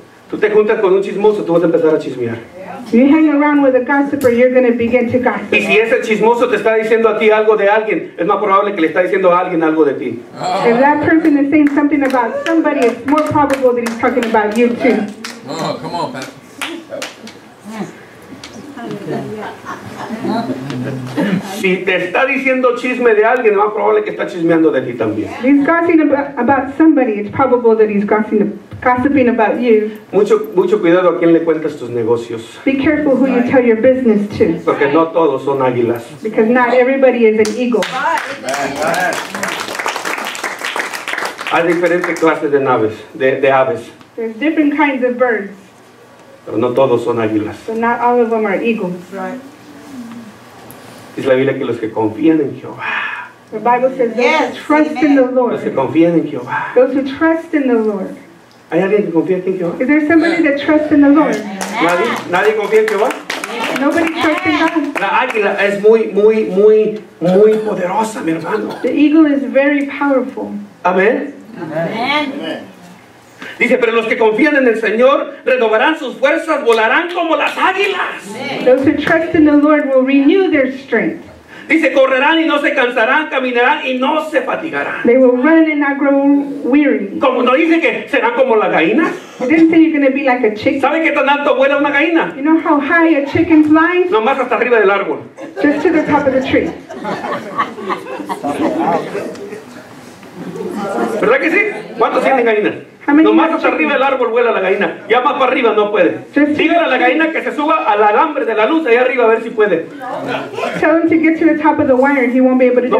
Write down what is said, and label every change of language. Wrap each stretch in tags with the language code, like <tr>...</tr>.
<es>Tú te juntas con un chismoso, tú vas a empezar a chismear.</es> <en>You hang around with a gossiper, you're going to begin to gossip.</en> <es>Y si ese chismoso te está diciendo a ti algo de alguien, es más probable que le está diciendo a alguien algo de ti. Oh.</es> <en>If that person is saying something about somebody, it's more probable that he's talking about you too. Oh, come on, Pat.</en> <es>Si te está diciendo chisme de alguien, es más probable que está chismeando de ti también.</es> <en>He's gossiping about somebody, it's probable that he's gossiping about you.</en> <es>Mucho cuidado a quien le cuentas tus negocios.</es> <en>Be careful who you tell your business to.</en> <es>Porque no todos son águilas.</es> <en>Because not everybody is an eagle.</en> <es>Hay diferentes clases de aves.</es> <en>There's different kinds of birds.</en> <es>Pero no todos son águilas.</es> <en>So not all of them are eagles.</en> <es>Dice la Biblia que los que confían en Jehová.</es> <en>The Bible says those yes, who trust amen. In the Lord.</en> <es>Los que confían en Jehová.</es> <en>Those who trust in the Lord.</en> <es>¿Hay alguien que confía en Jehová?</es> <en>Is there somebody that trusts in the Lord?</en> <es>¿Nadie confía en Jehová?</es> <en>Nobody trusts in God.</en> <es>La águila es muy, muy, muy, muy poderosa, mi hermano.</es> <en>The eagle is very powerful.</en> <es>Amén. Amén. Dice, pero los que confían en el Señor renovarán sus fuerzas, volarán como las águilas.</es> <en>Those who trust in the Lord will renew their strength.</en> <es>Dice, correrán y no se cansarán, caminarán y no se fatigarán.</es> <en>They will run and not grow weary.</en> <es>¿Cómo no dice que serán como la gallina?</es> <en>It didn't say you're going to be like a chicken.</en> <es>¿Sabe qué tan alto vuela una gallina?</es> <en>You know how high a chicken flies?</en> <es>No más hasta arriba del árbol.</es> <en>Just to the top of the tree.</en> <es>¿Verdad que sí? ¿Cuántos tienen gallinas? No más hasta arriba del árbol vuela la gallina. Ya más para arriba no puede. Dígale a la gallina que se suba al alambre de la luz ahí arriba a ver si puede.</es> <en>Tell him to get to the top of the wire, he won't be able to do it.</en>